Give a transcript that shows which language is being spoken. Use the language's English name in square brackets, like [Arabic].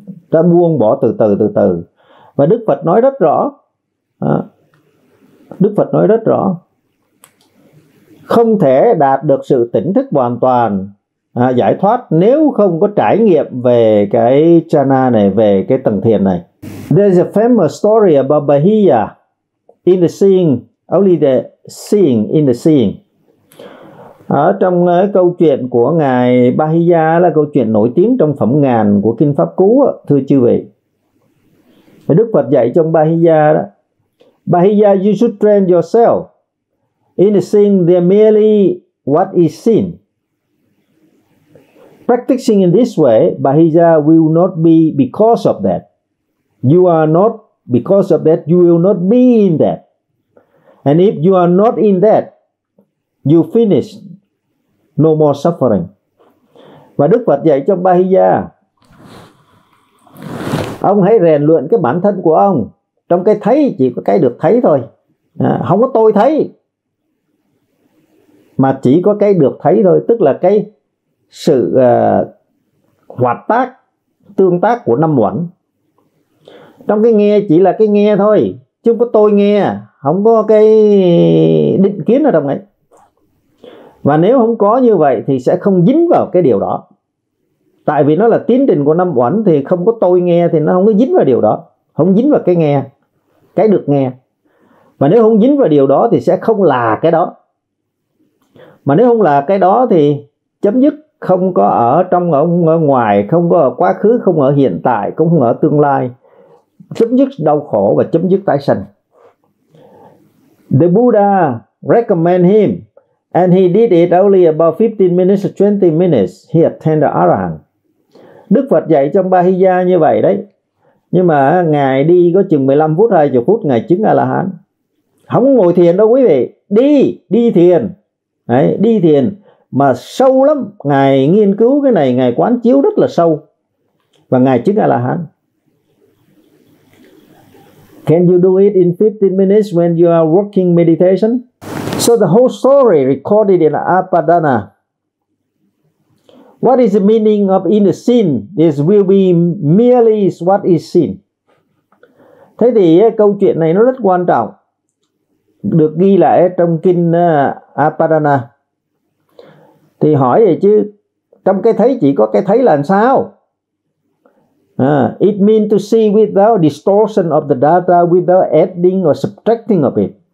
[Vietnamese] Ta buông bỏ từ từ. Và Đức Phật nói rất rõ đó. Đức Phật nói rất rõ, không thể đạt được sự tỉnh thức hoàn toàn, giải thoát nếu không có trải nghiệm về cái chana này, về cái tầng thiền này. [English] There's a famous story about Bahiya in the seeing, only the seeing in the seeing. [Vietnamese] Ở trong câu chuyện của Ngài Bahiya là câu chuyện nổi tiếng trong phẩm ngàn của Kinh Pháp Cú, thưa chư vị. Đức Phật dạy trong Bahiya đó, [English] Bahiya, you should train yourself in seeing there merely what is seen. Practicing in this way, Bahiya, will not be because of that. You are not because of that, you will not be in that. And if you are not in that, you finish, no more suffering. [Vietnamese] Và Đức Phật dạy cho Bahiya, ông hãy rèn luyện cái bản thân của ông. Trong cái thấy chỉ có cái được thấy thôi, không có tôi thấy, mà chỉ có cái được thấy thôi, tức là cái sự hoạt tác, tương tác của năm uẩn. Trong cái nghe chỉ là cái nghe thôi, chứ không có tôi nghe, không có cái định kiến ở trong ấy. Và nếu không có như vậy thì sẽ không dính vào cái điều đó, tại vì nó là tiến trình của năm uẩn, thì không có tôi nghe thì nó không có dính vào điều đó, không dính vào cái nghe, cái được nghe. Mà nếu không dính vào điều đó thì sẽ không là cái đó. Mà nếu không là cái đó thì chấm dứt, không có ở trong, ở ngoài, không có ở quá khứ, không ở hiện tại, cũng không ở tương lai. Chấm dứt đau khổ và chấm dứt tái sanh. [English] The Buddha recommend him and he did it only about 15 minutes or 20 minutes he attained the Arahant. [Vietnamese] Đức Phật dạy trong Bahiya như vậy đấy. Nhưng mà Ngài đi có chừng 15 phút, 20 phút Ngài chứng A-la-hán. Không ngồi thiền đâu quý vị. Đi thiền. Đấy, đi thiền. Mà sâu lắm. Ngài nghiên cứu cái này, Ngài quán chiếu rất là sâu. Và Ngài chứng A-la-hán. [English] Can you do it in 15 minutes when you are working meditation? So the whole story recorded in Appadana. What is the meaning of in the scene? This will be merely what is seen. [Vietnamese] Thế thì câu chuyện này nó rất quan trọng. Được ghi lại trong kinh Appadana. Thì hỏi vậy chứ, trong cái thấy chỉ có cái thấy là sao? [English] It means to see without distortion of the data, without adding or subtracting of it.